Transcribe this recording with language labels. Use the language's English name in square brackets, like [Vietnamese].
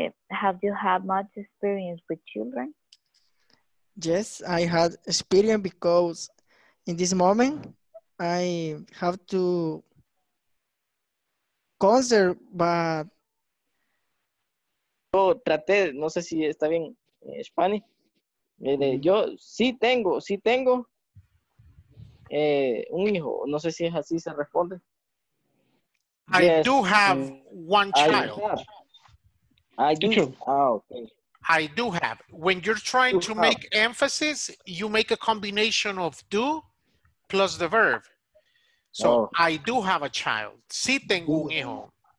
[English] Have you had much experience with children? Yes, I had experience because in this moment I have to conserve, but [Spanish] yo traté, no sé si está bien Spanish. Yo sí tengo un hijo, no sé si es así se responde. [English] I yes, do have one child. I do have. When you're trying to make emphasis, you make a combination of do plus the verb. So I do have a child. [Spanish] Sí tengo un hijo.